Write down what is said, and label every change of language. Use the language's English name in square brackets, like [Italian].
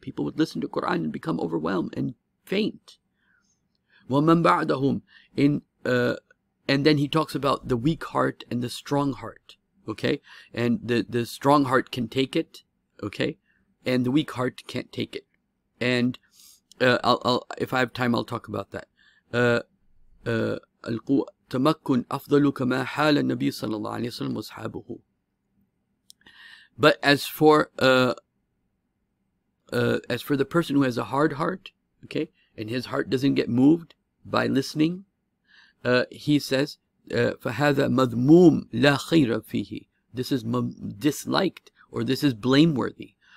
[English] People would listen to Quran and become overwhelmed and faint. [Arabic] وَمَنْ بَعْدَهُمْ, [English] and then he talks about the weak heart and the strong heart, okay? And the strong heart can take it, okay? And the weak heart can't take it. And I'll if I have time, I'll talk about that. [Arabic] القوة تمكن أفضل كما حال النبي صلى الله عليه وسلم وصحابه. [English] But as for the person who has a hard heart, okay, and his heart doesn't get moved by listening, he says, [Arabic] فَهَذَا مَذْمُومٌ لَا خَيْرَ فِيهِ. [English] This is disliked, or this is blameworthy.